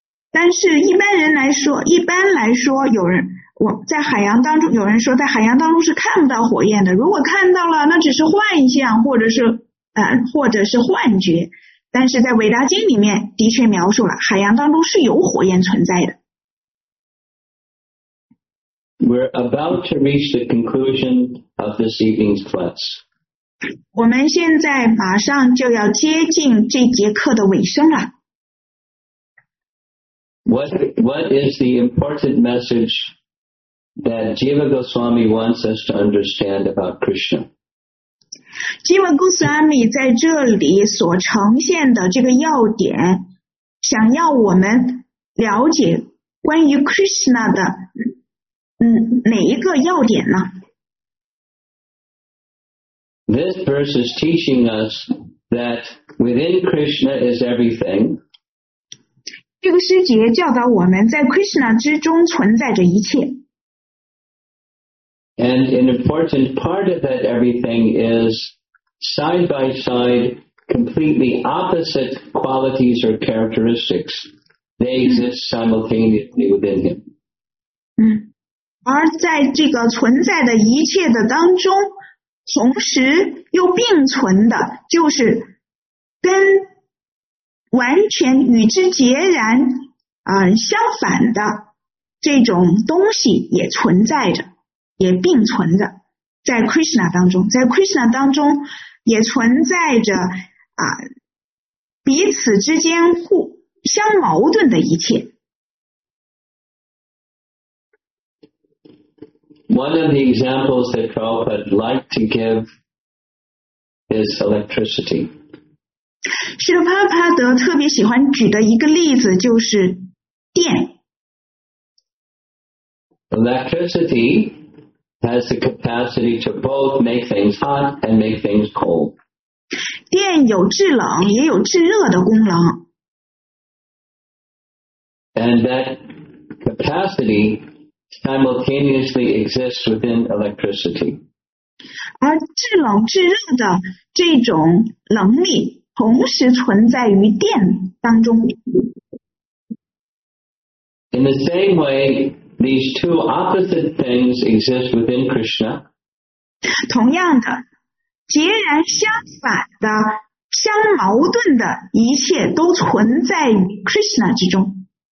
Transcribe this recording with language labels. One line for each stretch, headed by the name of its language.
Chinese: 但是一般来说有人我在海洋当中，有人说在海洋当中是看不到火焰的，如果看到了那只是幻象或者是幻觉，但是在伟达经里面的确描述了海洋当中是有火焰存在的。
English: We're about to reach the conclusion of this evening's class.
Chinese: 我们现在马上就要接近这节课的尾声了。
English: What is the important message that Jiva Goswami wants us to understand about Krishna?
Chinese: Jiva Goswami 在这里所呈现的这个要点，想要我们了解关于 Krishna 的哪一个要点呢？
English: This verse is teaching us that within Krishna is everything.
Chinese: 这个诗节教导我们在 Krishna 之中存在着一切。
English: And an important part of that everything is side by side completely opposite qualities or characteristics. They exist simultaneously within him.
Chinese: 而在这个存在的一切的当中，同时又并存的就是跟完全与之截然相反的这种东西也存在着，也并存着在 Krishna 当中，在 Krishna 当中也存在着彼此之间互相矛盾的一切。
English: One of the examples that Prabhupada liked to give is electricity.
Chinese: 释迦牟尼帕德特别喜欢举的一个例子就是电。
English: Electricity has the capacity to both make things hot and make things cold.
Chinese: 电有制冷也有制热的功能。
English: And that capacity simultaneously exists within electricity.
Chinese: 而制冷制热的这种能力同时存在于电当中。
English: In the same way, these two opposite things exist within Krishna.
Chinese: 同样的，截然相反的、相矛盾的一切都存在于 Krishna 之中。